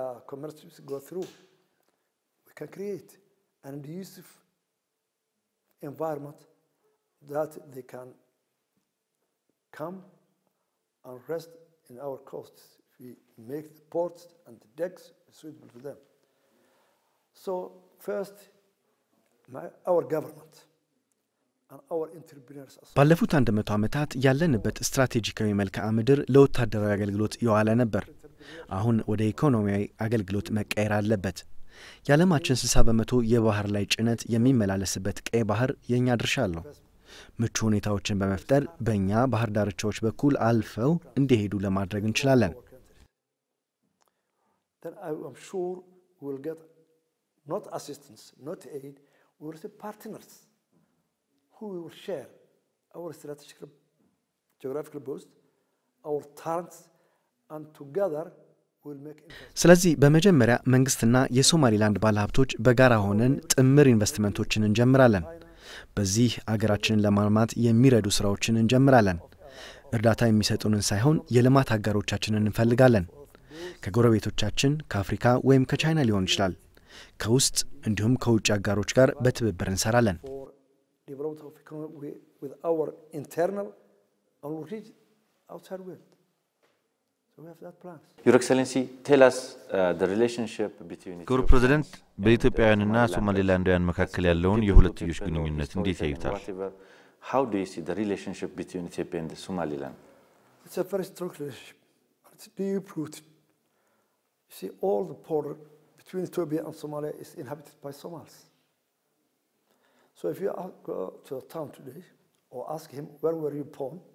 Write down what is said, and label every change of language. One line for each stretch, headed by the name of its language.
English: commerce go through we can create an inclusive environment that they can come and rest in our coasts we make the ports and the decks suitable for them so first our government and our entrepreneurs
Amharic: ባለፉት 100 አመታት ያለንበት ስትራቴጂካዊ መልካ ምድር ለወታደራዊ አገልግሎት ይዋለ ነበር አሁን ወደ ኢኮኖሚያዊ አገልግሎት መቀየር አለበት ያለማችን 60% የባህር ላይ ጭነት የሚመላለስበት ቀይ ባህር የኛ ድርሻ አለው ምቹ ሁኔታዎችን በመፍጠር በእኛ ባህር ዳርቻዎች በኩል አልፈው እንዲሄዱ ለማድረግ እንችላለን
English: then I'm sure we'll get not assistance not aid we'll see partners who we will share our strategic geographical boost our talents and together we'll make
Amharic: ስለዚህ በመጀመሪያ መንግስትና የሶማሊላንድ ባለሀብቶች በጋራ ሆነን ጥምር ኢንቨስትመንቶችን እንጀምራለን በዚህ አገራችንን ለማልማት የሚረዱ ስራዎችን እንጀምራለን እርዳታ የሚሰጡን ሳይሆን የልማት አጋሮቻችንን እንፈልጋለን ከጎረቤቶቻችን ከአፍሪካ ወይም ከቻይና ሊሆን ይችላል ከውስጥ እንዲሁም ከውጭ አጋሮች ጋር በትብብር እንሰራለን
English: development of economy with our internal and outside world so we have that plans your excellency tell us the relationship between good president
Amharic: በኢትዮጵያና ሶማሊላንድያን መካከለ ያለውን የሁለትዮሽ ግንኙነት እንዴት ያዩታል?
English: How do you see the relationship between Ethiopia and Somaliland? It's a very strong relationship. It's deep rooted. You see all the border between Ethiopia and Somalia is inhabited by Somalis. So if you go to a town today or ask him where were you born?